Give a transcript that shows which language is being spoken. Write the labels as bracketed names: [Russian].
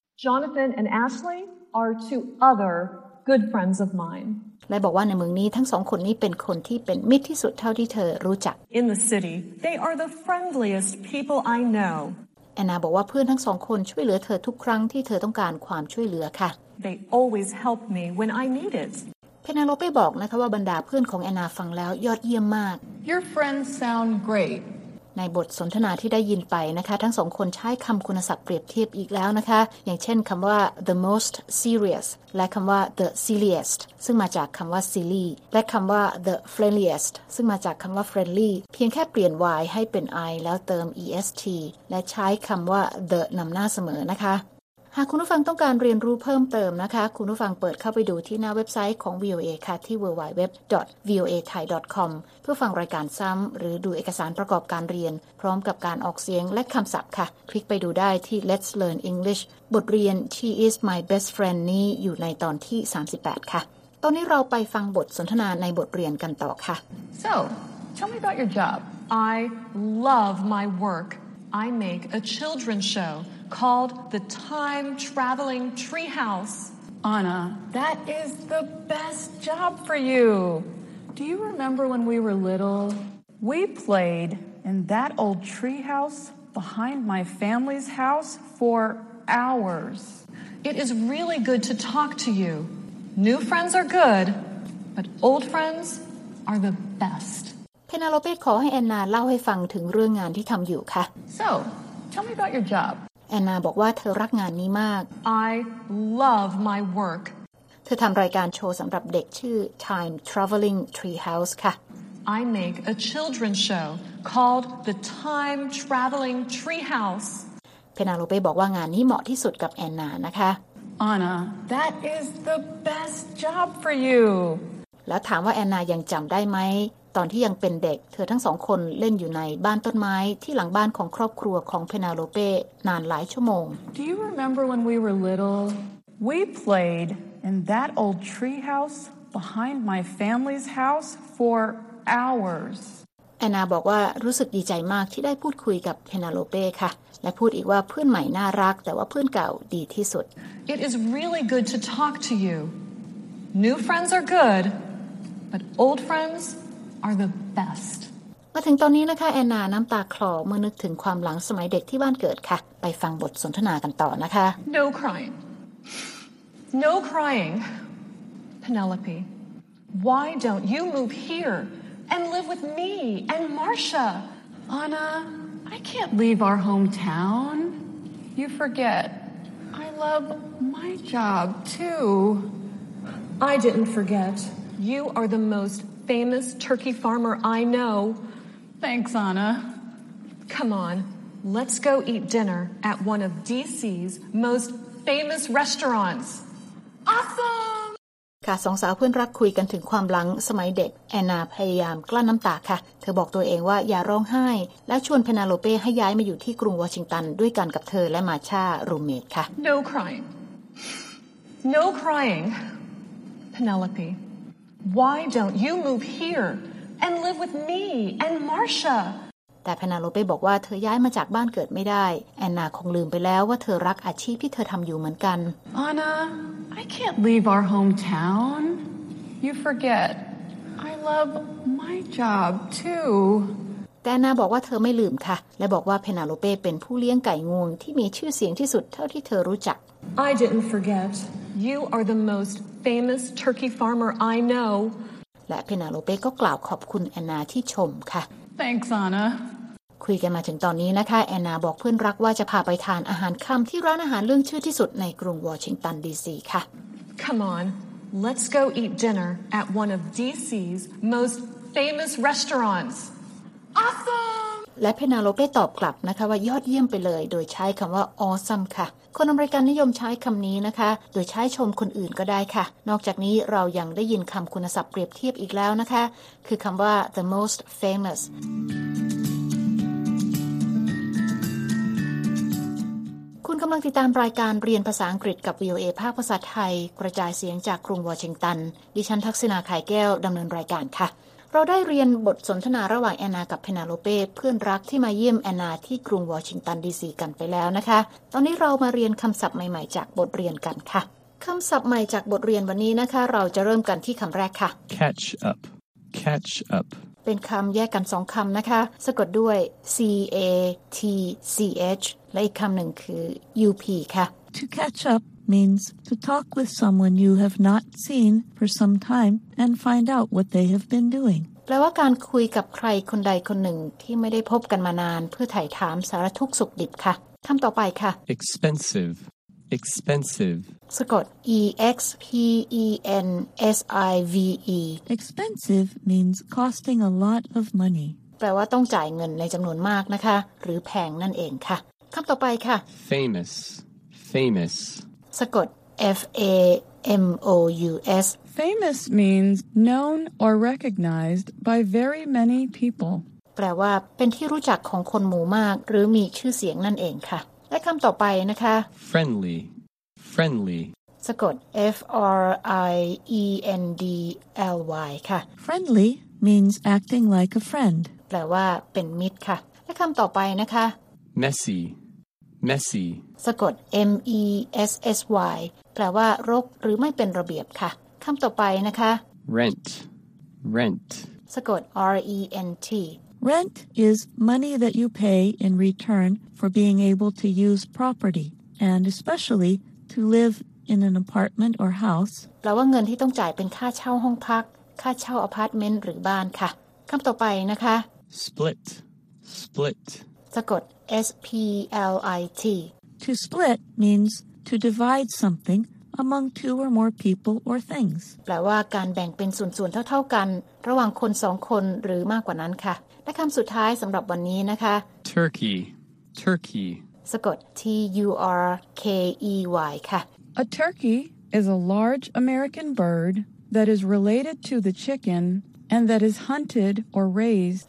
[English] Jonathan and Ashley are two other good friends of mine. [Thai] และบอกว่าในเมืองนี้ทั้งสองคนนี้เป็นคนที่เป็นมิตรที่สุดเท่าที่เธอรู้จัก [English] In the city, they are the friendliest people I know. [Thai] แอนนาบอกว่าเพื่อนทั้งสองคนช่วยเหลือเธอทุกครั้งที่เธอต้องการความช่วยเหลือค่ะ [English] They always help me when I need it. [Thai] Penelope บอกนะคะว่าบรรดาเพื่อนของแอนนาฟังแล้วยอดเยี่ยมมาก [English] Your friends sound great. [Thai] ในบทสนทนาที่ได้ยินไปนะคะทั้งสองคนใช้คำคุณศัพท์เปรียบเทียบอีกแล้วนะคะอย่างเช่นคำว่า [English] the most serious [Thai] และคำว่า [English] the silliest [Thai] ซึ่งมาจากคำว่า silly และคำว่า [English] the friendliest [Thai] ซึ่งมาจากคำว่า friendly เพียงแค่เปลี่ยน y ให้เป็น i แล้วเติม est และใช้คำว่า the นำหน้าเสมอนะคะ หากคุณผู้ฟังต้องการเรียนรู้เพิ่มเติมนะคะคุณผู้ฟังเปิดเข้าไปดูที่หน้าเว็บไซต์ของ VOA ค่ะที่ www.voathai.com เพื่อฟังรายการซ้ำหรือดูเอกสารประกอบการเรียนพร้อมกับการออกเสียงและคำศัพท์ค่ะคลิกไปดูได้ที่ [English] Let's Learn English [Thai] บทเรียน [English] She is my best friend [Thai] นี้อยู่ในตอนที่38ค่ะตอนนี้เราไปฟังบทสนทนาในบทเรียนกันต่อค่ะ [English] So tell me about your job I love my work I make a children's showcalled the time traveling treehouse Anna that is the best job for you do you remember when we were little we played in that old treehouse behind my family's house for hours it is really good to talk to you new friends are good but old friends are the best [Thai] Penelope ขอให้แอนนาเล่าให้ฟังถึงเรื่องงานที่ทําอยู่ค่ะ [English] so tell me about your job [Thai] แอนนาบอกว่าเธอรักงานนี้มาก [English] I love my work [Thai] เธอทำรายการโชว์สำหรับเด็กชื่อ Time Traveling Treehouse ค่ะ [English] I make a children's show called The Time Traveling Treehouse [Thai] Penelope บอกว่างานนี้เหมาะที่สุดกับแอนนานะคะ [English] Anna that is the best job for you [Thai] แล้วถามว่าแอนนายังจำได้ไหมตอนที่ยังเป็นเด็กเธอทั้งสองคนเล่นอยู่ในบ้านต้นไม้ที่หลังบ้านของครอบครัวของเพนาโลเป้นานหลายชั่วโมง [English] Do you remember when we were little? We played in that old treehouse behind my family's house for hours. [Thai] แอนนาบอกว่ารู้สึกดีใจมากที่ได้พูดคุยกับเพนาโลเป้ค่ะและพูดอีกว่าเพื่อนใหม่น่ารักแต่ว่าเพื่อนเก่าดีที่สุด [English] It is really good to talk to you. New friends are good, but old friendsare the best. [Thai] มาถึงตอนนี้นะคะแอนนาน้ำตาคลอเมื่อนึกถึงความหลังสมัยเด็กที่บ้านเกิดค่ะไปฟังบทสนทนากันต่อนะคะ [English] No crying. No crying. Penelope. Why don't you move here and live with me and Marcia? Anna, I can't leave our hometown. You forget. I love my job too. I didn't forget. You are the mostfamous turkey farmer I know. Thanks, Anna. Come on, let's go eat dinner at one of DC's most famous restaurants. Awesome! [Thai] ค่ะ สองสาวเพื่อนรักคุยกันถึงความหลังสมัยเด็กแอนนาพยายามกลั้นน้ำตาค่ะเธอบอกตัวเองว่าอย่าร้องไห้และชวนเพนาโลเป้ให้ย้ายมาอยู่ที่กรุงวอชิงตันด้วยกันกับเธอและมาช่ารูมเมทค่ะ [English] No crying. No crying. PenelopeWhy don't you move here and live with me and Marcia? [Thai] แต่ Penelope บอกว่าเธอย้ายมาจากบ้านเกิดไม่ได้ Anna คงลืมไปแล้วว่าเธอรักอาชีพที่เธอทำอยู่เหมือนกัน [English] Anna, I can't leave our hometown. You forget. I love my job too. [Thai] แอนนาบอกว่าเธอไม่ลืมค่ะและบอกว่าเพนาโลเป้เป็นผู้เลี้ยงไก่งวงที่มีชื่อเสียงที่สุดเท่าที่เธอรู้จัก [English] I didn't forget. You are the most famous turkey farmer I know. [Thai] และเพนาโลเป้ก็กล่าวขอบคุณแอนนาที่ชมค่ะ [English] Thanks, Anna. [Thai] คุยกันมาถึงตอนนี้นะคะแอนนาบอกเพื่อนรักว่าจะพาไปทานอาหารค่ำที่ร้านอาหารเรื่องชื่อที่สุดในกรุงวอชิงตันดีซีค่ะ [English] Come on, let's go eat dinner at one of DC's most famous restaurants. Awesome! [Thai] และเพนาโลเป้ตอบกลับนะคะว่ายอดเยี่ยมไปเลยโดยใช้คำว่า awesome ค่ะคนอเมริกันนิยมใช้คำนี้นะคะโดยใช้ชมคนอื่นก็ได้ค่ะนอกจากนี้เรายังได้ยินคำคุณศัพท์เปรียบเทียบอีกแล้วนะคะคือคำว่า [English] the most famous [Thai] คุณกำลังติดตามรายการเรียนภาษาอังกฤษกับ VOA ภาคภาษาไทยกระจายเสียงจากกรุงวอชิงตันดิฉันทักษิณาไข่แก้วดำเนินรายการค่ะเราได้เรียนบทสนทนาระหว่างแอนนากับเพนาโลเป้เพื่อนรักที่มาเยี่ยมแอนนาที่กรุงวอชิงตันดีซีกันไปแล้วนะคะตอนนี้เรามาเรียนคำศัพท์ใหม่ๆจากบทเรียนกันค่ะคำศัพท์ใหม่จากบทเรียนวันนี้นะคะเราจะเริ่มกันที่คำแรกค่ะ [English] catch up catch up [Thai] เป็นคำแยกกัน2คำนะคะสะกดด้วย C A T C H และอีกคำหนึ่งคือ U P ค่ะ [English] To catch up means to talk with someone you have not seen for some time and find out what they have been doing [Thai] แปลว่าการคุยกับใครคนใดคนหนึ่งที่ไม่ได้พบกันมานานเพื่อไถ่ถามสารทุกข์สุขดิบค่ะคำต่อไปค่ะ [English] expensive expensive [Thai] สะกด E X P E N S I V E [English] expensive means costing a lot of money [Thai] แปลว่าต้องจ่ายเงินในจำนวนมากนะคะหรือแพงนั่นเองค่ะคำต่อไปค่ะ [English] famous famous [Thai] สะกด F A M O U S [English] famous means known or recognized by very many people [Thai] แปลว่าเป็นที่รู้จักของคนหมู่มากหรือมีชื่อเสียงนั่นเองค่ะและคำต่อไปนะคะ [English] friendly friendly [Thai] สะกด F R I E N D L Y ค่ะ [English] friendly means acting like a friend [Thai] แปลว่าเป็นมิตรค่ะและคำต่อไปนะคะ [English] messy messy [Thai] สะกด M E S S Y แปลว่ารกหรือไม่เป็นระเบียบค่ะคำต่อไปนะคะ [English] rent rent [Thai] สะกด R E N T [English] rent is money that you pay in return for being able to use property and especially to live in an apartment or house [Thai] แปลว่าเงินที่ต้องจ่ายเป็นค่าเช่าห้องพักค่าเช่าอพาร์ตเมนต์หรือบ้านค่ะคำต่อไปนะคะ [English] split split [Thai] สะกด S P L I T [English] to split means to divide something among two or more people or things [Thai] แปลว่าการแบ่งเป็นส่วนๆเท่าๆกันระหว่างคน2คนหรือมากกว่านั้นค่ะและคำสุดท้ายสำหรับวันนี้นะคะ [English] turkey turkey [Thai] สะกด T-U-R-K-E-Y ค่ะ [English] A turkey is a large American bird that is related to the chicken and that is hunted or raised